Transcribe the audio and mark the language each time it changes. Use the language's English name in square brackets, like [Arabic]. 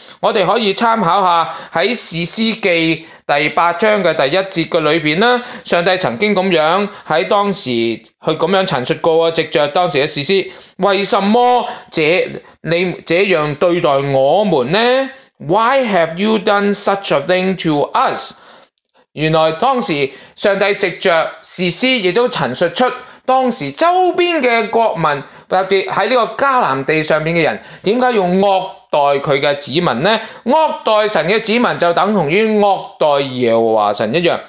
[Cantonese] 我哋可以参考一下喺士师记第八章嘅第一节嘅里面啦。上帝曾经咁样喺当时去咁样陈述过，藉着当时嘅士师，为什么这样对待我们呢？ [English] Why have you done such a thing to us？ [Cantonese] 原来当时上帝藉着士师亦都陈述出当时周边嘅国民，特别喺呢个迦南地上面嘅人，点解要恶待佢嘅子民呢？恶待神嘅子民就等同于恶待耶和华神一样。